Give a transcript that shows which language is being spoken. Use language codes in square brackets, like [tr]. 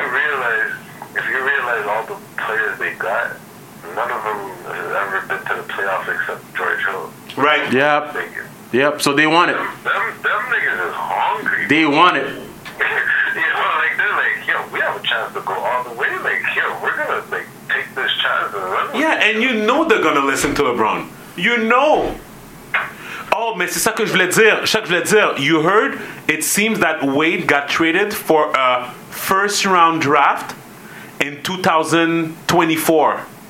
[en] If you realize all the players they got, none of them ever been to the playoffs except George Hill. Right. Yep. So they want it. Them niggas is hungry. They want it. You know, like, they're like, yo, we have a chance to go all the way. Like, yo, we're gonna, like, take this chance and run. Yeah, and you know they're gonna listen to LeBron. You know. [fr] Oh, mais c'est ça que je voulais dire. [en] You heard, it seems that Wade got traded for a first round draft in 2024.